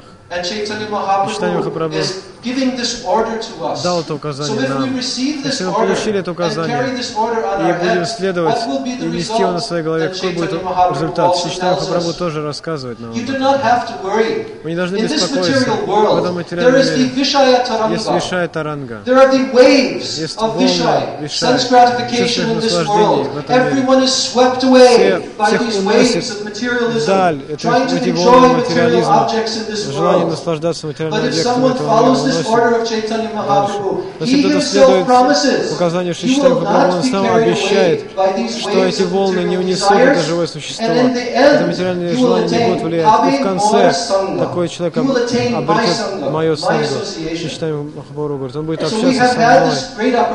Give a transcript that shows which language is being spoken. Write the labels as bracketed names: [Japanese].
[English] And Chaitanya Mahaprabhu is giving this order to us. [Russian] Дал это указание нам. Если мы получили это указание и будем следовать и нести его на своей голове, какой будет результат? Чаитанья Махапрабху тоже рассказывает нам. Вы не должны беспокоиться. В этом материальном мире есть Вишая Таранга. [English] There are the waves of Vishaya, sense gratification in this world. Everyone is swept away by these waves of materialism, trying to enjoy material objects in this world. [Russian] Не наслаждаться материальным объектом, но он уносит. Но если кто-то следует указанию Шичтанья Махапрабху, он сам обещает, что эти волны не унесут это живое существо, это материальное желание не будет влиять. И в конце такой человек обретет мою сангу, Шичтанья Махапрабху говорит, он будет общаться со мной.